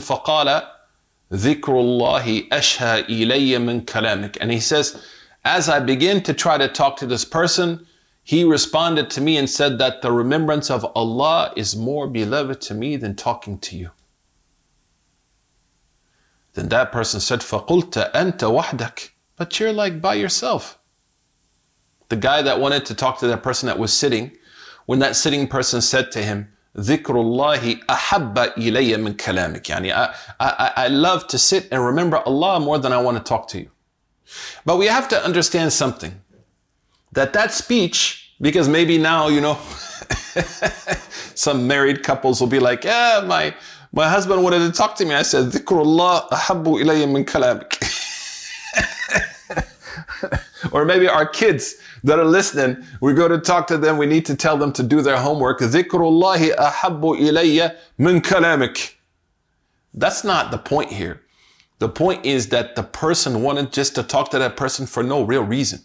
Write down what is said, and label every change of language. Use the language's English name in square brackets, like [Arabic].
[Arabic] فَقَالَ ذِكْرُ اللَّهِ أَشْهَى إِلَيَّ مِنْ كَلَامِكَ [English] And he says, as I begin to try to talk to this person, he responded to me and said that the remembrance of Allah is more beloved to me than talking to you. Then that person said, [Arabic] فَقُلْتَ أَنْتَ وَحْدَكَ [English] But you're like by yourself. The guy that wanted to talk to that person that was sitting, when that sitting person said to him, [Arabic] ذكر الله أحب إلي من كلامك. يعني [English] I love to sit and remember Allah more than I want to talk to you. But we have to understand something. That speech, because maybe now, you know, some married couples will be like, yeah, my husband wanted to talk to me. I said, [Arabic] ذكر الله أحب إلي من كلامك. [English] Or maybe our kids that are listening, we go to talk to them, we need to tell them to do their homework. [Arabic] Dhikrullahi ahabbu ilayya min kalamik. [English] That's not the point here. The point is that the person wanted just to talk to that person for no real reason.